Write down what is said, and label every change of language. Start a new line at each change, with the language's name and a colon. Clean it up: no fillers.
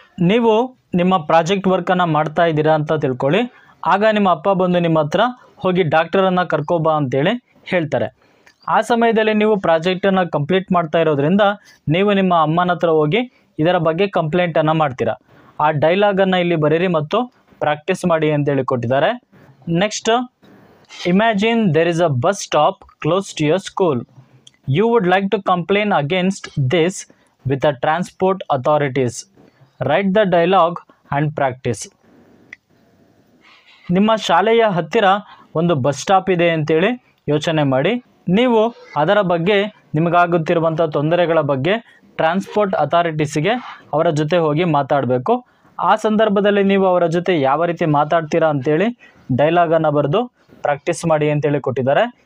Kannada: ನೀವು ನಿಮ್ಮ ಪ್ರಾಜೆಕ್ಟ್ ವರ್ಕನ್ನು ಮಾಡ್ತಾ ಇದ್ದೀರಾ ಅಂತ ತಿಳ್ಕೊಳ್ಳಿ ಆಗ ನಿಮ್ಮ ಅಪ್ಪ ಬಂದು ನಿಮ್ಮ ಹತ್ರ ಹೋಗಿ ಡಾಕ್ಟರನ್ನು ಕರ್ಕೋಬಾ ಅಂತೇಳಿ ಹೇಳ್ತಾರೆ ಆ ಸಮಯದಲ್ಲಿ ನೀವು ಪ್ರಾಜೆಕ್ಟನ್ನು ಕಂಪ್ಲೀಟ್ ಮಾಡ್ತಾ ಇರೋದ್ರಿಂದ ನೀವು ನಿಮ್ಮ ಅಮ್ಮನ ಹತ್ರ ಹೋಗಿ ಇದರ ಬಗ್ಗೆ ಕಂಪ್ಲೇಂಟನ್ನು ಮಾಡ್ತೀರಾ ಆ ಡೈಲಾಗನ್ನು ಇಲ್ಲಿ ಬರೀರಿ ಮತ್ತು ಪ್ರಾಕ್ಟೀಸ್ ಮಾಡಿ ಅಂತೇಳಿ ಕೊಟ್ಟಿದ್ದಾರೆ
English: Next imagine there is a bus stop close to your school You would like to complain against this with the transport authorities. Write the dialogue and practice.
Kannada: ನಿಮ್ಮ ಶಾಲೆಯ ಹತ್ತಿರ ಒಂದು ಬಸ್ ಸ್ಟಾಪ್ ಇದೆ ಅಂತೇಳಿ ಯೋಚನೆ ಮಾಡಿ. ನೀವು ಅದರ ಬಗ್ಗೆ ನಿಮಗಾಗುತ್ತಿರುವಂಥ ತೊಂದರೆಗಳ ಬಗ್ಗೆ ಟ್ರಾನ್ಸ್ಪೋರ್ಟ್ ಅಥಾರಿಟೀಸ್ಗೆ ಅವರ ಜೊತೆ ಹೋಗಿ ಮಾತಾಡಬೇಕು. ಆ ಸಂದರ್ಭದಲ್ಲಿ ನೀವು ಅವರ ಜೊತೆ ಯಾವ ರೀತಿ ಮಾತಾಡ್ತೀರಾ ಅಂತೇಳಿ ಡೈಲಾಗನ್ನು ಬರೆದು ಪ್ರಾಕ್ಟೀಸ್ ಮಾಡಿ ಅಂತೇಳಿ ಕೊಟ್ಟಿದ್ದಾರೆ.